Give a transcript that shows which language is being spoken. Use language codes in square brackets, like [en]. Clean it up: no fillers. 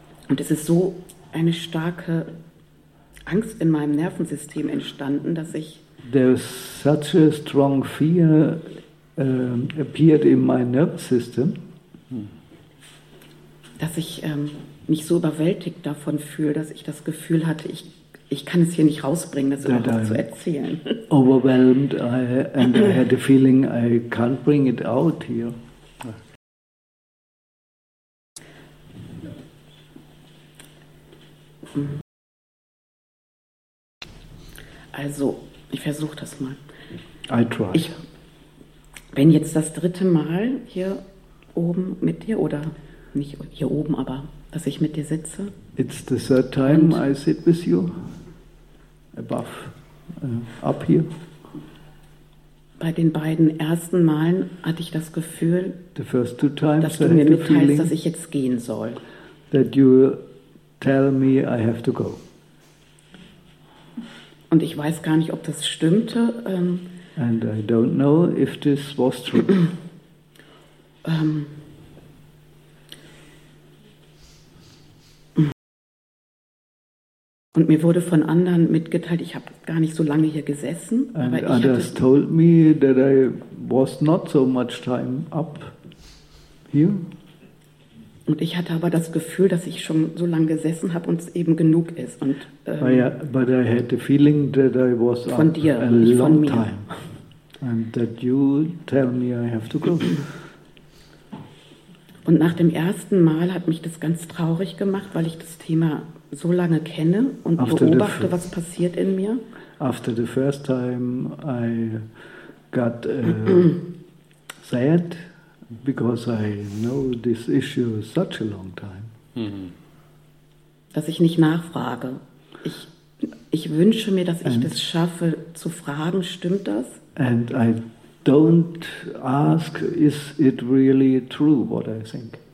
[de] Und es ist so eine starke Angst in meinem Nervensystem entstanden, dass ich. [en] There is such a strong fear appeared in my nervous system. [de] Dass ich mich so überwältigt davon fühle, dass ich das Gefühl hatte, ich kann es hier nicht rausbringen, das überhaupt zu erzählen. [en] Overwhelmed, and I had the feeling I can't bring it out here. [de] Also, ich versuche das mal. [en] I try. [de] Ich bin jetzt das dritte Mal hier oben mit dir, oder nicht hier oben, aber dass ich mit dir sitze. [en] It's the third time und I sit with you. Above, up here. [de] Bei den beiden ersten Malen hatte ich das Gefühl, [en] the first two times, [de] dass du mir mitteilst, dass ich jetzt gehen soll. [en] That you tell me I have to go. [de] Und ich weiß gar nicht, ob das stimmte. [en] And I don't know if this was true. [de] Und mir wurde von anderen mitgeteilt, ich habe gar nicht so lange hier gesessen. [en] And [de] aber ich [en] others [de] hatte, [en] told me that I was not so much time up here. [de] Und ich hatte aber das Gefühl, dass ich schon so lange gesessen habe und es eben genug ist. Und, [en] but I had the feeling that I was von up dir, a nicht long von mir. Time. And that you tell me I have to go. [de] Und nach dem ersten Mal hat mich das ganz traurig gemacht, weil ich das Thema so lange kenne und [en] after [de] beobachte, was passiert in mir. [en] After the first time I got sad because I know this issue such a long time. Mm-hmm. [de] Dass ich nicht nachfrage. Ich wünsche mir, dass ich das schaffe, zu fragen, stimmt das? [en] And I don't ask, is it really true what I think?